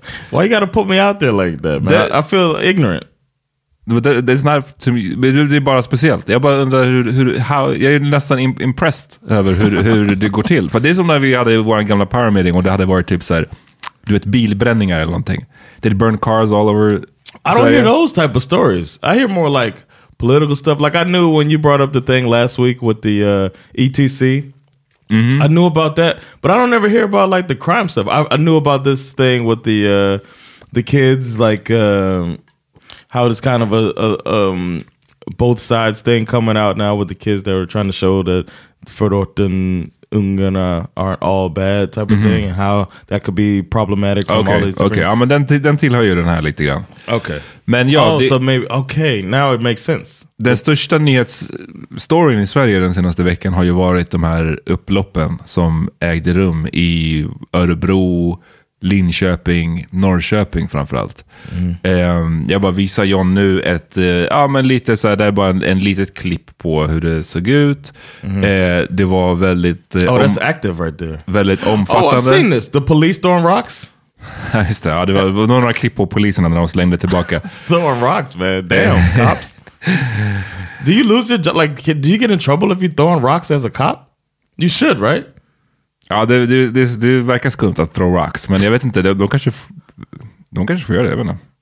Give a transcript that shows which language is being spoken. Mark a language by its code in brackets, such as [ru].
[en] Why you gotta put me out there like that, man? I feel ignorant. It's not to me, [sv] det är bara speciellt. Jag bara undrar hur jag är nästan impressed över hur det går till. För det är som när vi hade vår gamla power meeting och det hade varit typ så här, du vet, bilbränningar eller någonting. [en] They'd burn cars all over. I don't hear those type of stories. I hear more like political stuff. Like I knew when you brought up the thing last week with the ETC. Mm-hmm. I knew about that, but I don't ever hear about like the crime stuff. I knew about this thing with the kids, like how it's kind of a both sides thing coming out now with the kids that were trying to show that [sv] förorten ungarna [en] aren't all bad type of mm-hmm. thing, and how that could be problematic from okay, all these okay. [sv] Ja, men den tillhör ju den här lite grann. [en] Okay. [sv] Men ja, [en] oh, so maybe okay, now it makes sense. [sv] Den största nyhetsstoryn i Sverige den senaste veckan har ju varit de här upploppen som ägde rum i Örebro, Linköping, Norrköping framförallt. Mm. Jag bara visar John nu ett ja men lite så här, det är bara en litet klipp på hur det såg ut. Mm. Det var väldigt [en] that's active right there. [sv] Väldigt omfattande. [en] Oh, I've seen this. The police throwing rocks. [sv] Just det, ja, det var några klipp på poliserna när de slängde tillbaka. [en] Throwing rocks, man. Damn, cops. Do you lose your like do you get in trouble if you throw rocks as a cop? You should, right? [sv] Ja, det verkar skumt att [en] throw rocks, [sv] men jag vet inte, de kanske får göra det, jag vet inte.